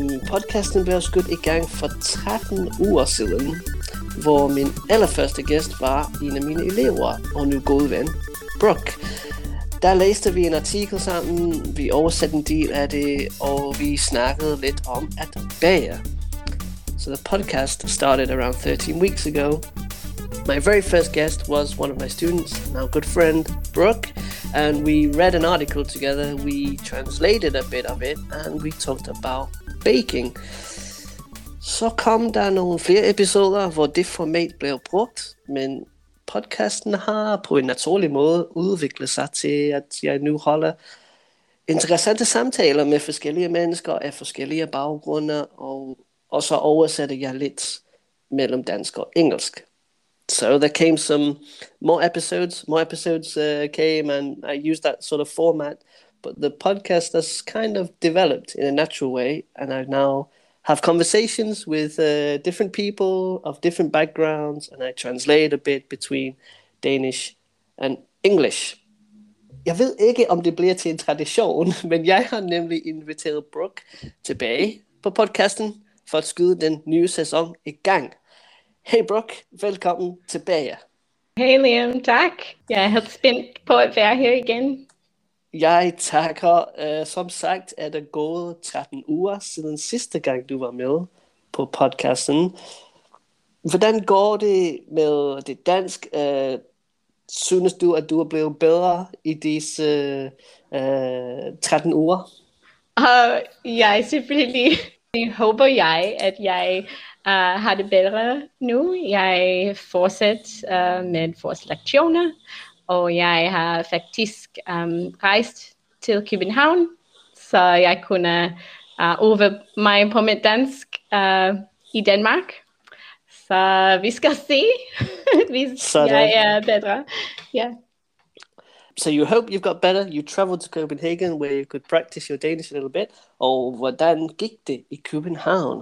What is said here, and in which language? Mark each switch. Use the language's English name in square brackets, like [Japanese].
[Danish] Podcasten blev skudt i gang for 13 uger siden, hvor min allerførste gæst var en af mine elever og nu gode ven, Brooke. Der læste vi en artikel sammen, vi oversatte en del af det, og vi snakkede lidt om at bære. [English] So the podcast started around 13 weeks ago. My very first guest was one of my students, now good friend, Brooke, and we read an article together, we translated a bit of it, and we talked about baking. [Danish] Så kom der nogle flere episoder, hvor det format blev brugt, men podcasten har på en naturlig måde udviklet sig til, at jeg nu holder interessante samtaler med forskellige mennesker af forskellige baggrunde, og så oversætter jeg lidt mellem dansk og engelsk. [English] So there came some more episodes came, and I used that sort of format, but the podcast has kind of developed in a natural way, and I now have conversations with different people of different backgrounds, and I translate a bit between Danish and English. [Danish] Jeg ved ikke, om det bliver til en tradition, men jeg har nemlig inviteret Brooke tilbage på podcasten for at skyde den nye sæson i gang. Hey Brooke, velkommen tilbage. Hey Liam, tak. Jeg er helt spændt på at være her igen. Jeg takker. Som sagt er det gået 13 uger siden sidste gang, du var med på podcasten. Hvordan går det med det dansk? Synes du, at du er blevet bedre i disse 13 uger? Jeg selvfølgelig. Det håber jeg, at jeg har det bedre nu. Jeg fortsætter med vores lektioner. Og jeg har faktisk rejst til København, så jeg kunne øve mig på mit dansk i Danmark. Så vi skal se, hvis jeg er bedre. [English] Yeah. So you hope you've got better. You traveled to Copenhagen where you could practice your Danish a little bit. [Danish] Og hvordan gik det i København?